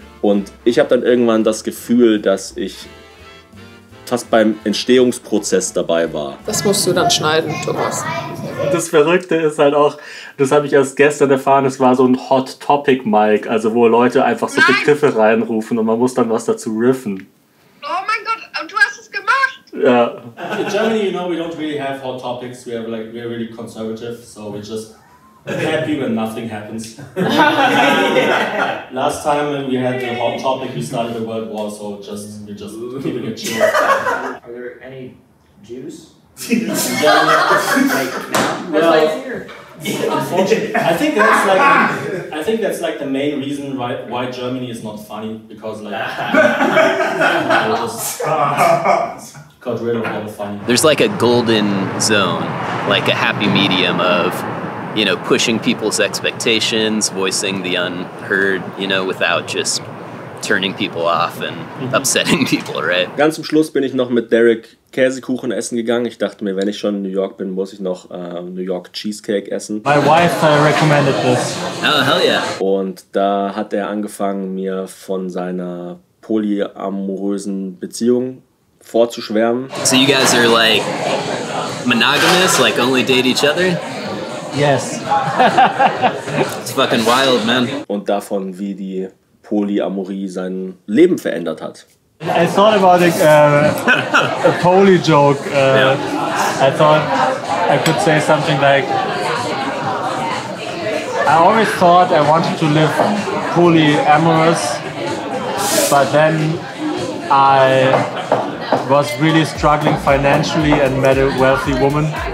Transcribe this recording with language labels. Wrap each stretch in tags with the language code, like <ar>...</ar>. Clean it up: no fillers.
<de>Und ich habe dann irgendwann das Gefühl, dass ich fast beim Entstehungsprozess dabei war. Das musst du dann schneiden, Thomas. Das Verrückte ist halt auch, das habe ich erst gestern erfahren, es war so ein Hot Topic Mic, also wo Leute einfach so Begriffe reinrufen und man muss dann was dazu riffen. Oh mein Gott, und du hast es gemacht?</de> <en>Yeah. In Germany, you know, we don't really have hot topics. We are like, we're really conservative, so we just happy when nothing happens. Last time when we had the hot topic, we started the world war, so we're just keeping it chill. Are there any Jews? I think that's like the main reason why Germany is not funny, because got rid of all the funny. There's like a golden zone, like a happy medium of, you know, pushing people's expectations, voicing the unheard, you know, without just turning people off and upsetting people, right?</en> <de>Ganz zum Schluss bin ich noch mit Derek Käsekuchen essen gegangen. Ich dachte mir, wenn ich schon in New York bin, muss ich noch New York Cheesecake essen.</de> <en>My wife recommended this. Oh, hell yeah.</en> <de>Und da hat er angefangen, mir von seiner polyamorösen Beziehung vorzuschwärmen.</de> <en>So you guys are like monogamous, like only date each other? Yes. It's fucking wild, man.</en> <de>Und davon, wie die Polyamorie sein Leben verändert hat.</de> <en>I thought about a poly joke. Yeah. I thought I could say something like, I always thought I wanted to live polyamorous, but then I was really struggling financially and met a wealthy woman.</en>